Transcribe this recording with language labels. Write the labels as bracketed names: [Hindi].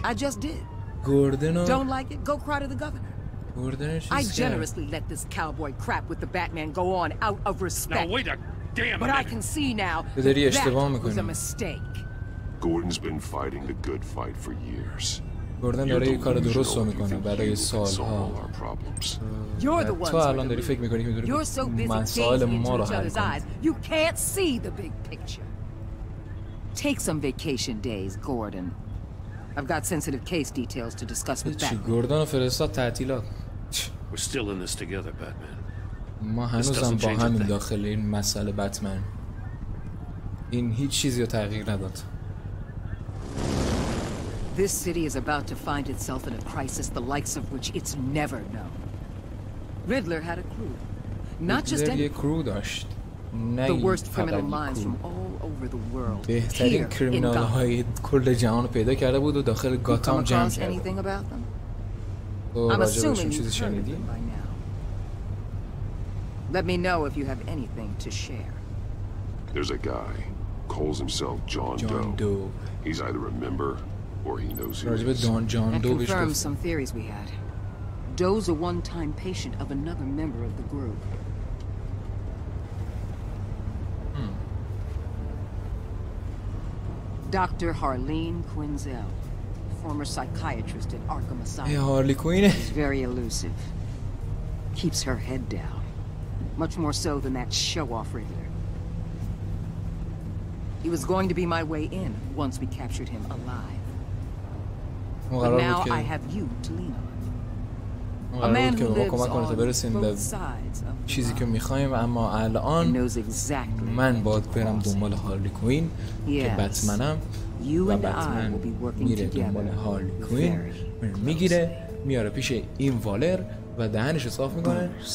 [English] I just did. Gordon. Don't like it? Go cry to the governor. I generously let this cowboy crap with the Batman go on out of respect. Now wait a damn minute. But I can see now that was a mistake. Gordon's been fighting the good fight for years. [Persian] Gordon داره یه کار درست رو میکنه برای سالها. [English] You're the one who [Persian] فکر میکنی که [English] you're so busy gazing into each other's eyes, you can't see the big picture. Take some vacation days, Gordon. I've got sensitive case details to discuss with Batman. [Persian] گوردون فرستاد تعطیلات. [English] We're still in this together, Batman. [Persian] ما هنوزم با هم داخل این مسئله بتمن. این هیچ چیزی رو تغییر نداد. [English] This city is about to find itself in a crisis the likes of which it's never known. Riddler had a crew. Not just any [Persian] crew داشت. [English] The worst criminal minds from all over the world. [Persian] بهترین کریمینال های کل جهان پیدا کرده بود و داخل گاتام جمع کرده بود. [English] I'm assuming [Persian] چیزی شنیدی. [English] Let me know if you have anything to share. There's a guy calls himself John Doe. He's either a member or he knows who. [Persian] راجب دون جان دو بهش گفت. [English] Some theories we had. Doe's a one-time patient of another member of the group. Dr. Harleen Quinzel, former psychiatrist at Arkham Asylum. Hey, Harley Quinn. She's very elusive. Keeps her head down. Much more so than that show-off Riddler. He was going to be my way in once we captured him alive. But now I have you to lean on. A man who lives on both sides of the world. [Persian] چیزی که میخوایم اما الان من باید برم دنبال هارلی کوین که بتمنم و بتمن میره دنبال هارلی کوین میگیره میاره پیش این والر و دهنش رو صاف میکنه.